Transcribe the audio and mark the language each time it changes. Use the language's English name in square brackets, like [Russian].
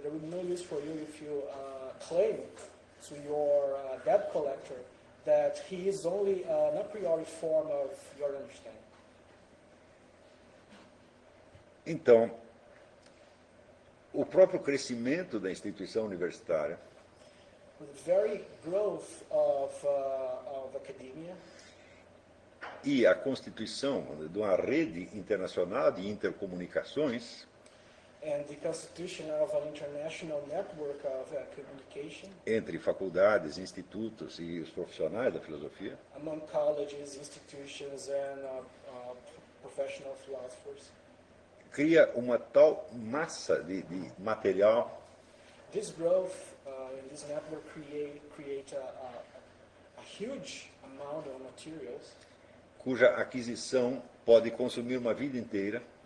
[English] There will be no use for you if you claim to your debt collector that he is only an a priori form of your understanding. [Portuguese] Então, o próprio crescimento da instituição universitária, [English] the very growth of academia, [Portuguese] e a constituição de uma rede internacional de intercomunicações, [English] and the constitution of an international network of communication, [Portuguese] entre faculdades, institutos e os profissionais da filosofia, [English] among colleges, institutions and professional philosophers, [Portuguese] cria uma tal massa de material. [English] This growth in this network create a huge amount of materials, [Portuguese] cuja aquisição pode consumir uma vida inteira,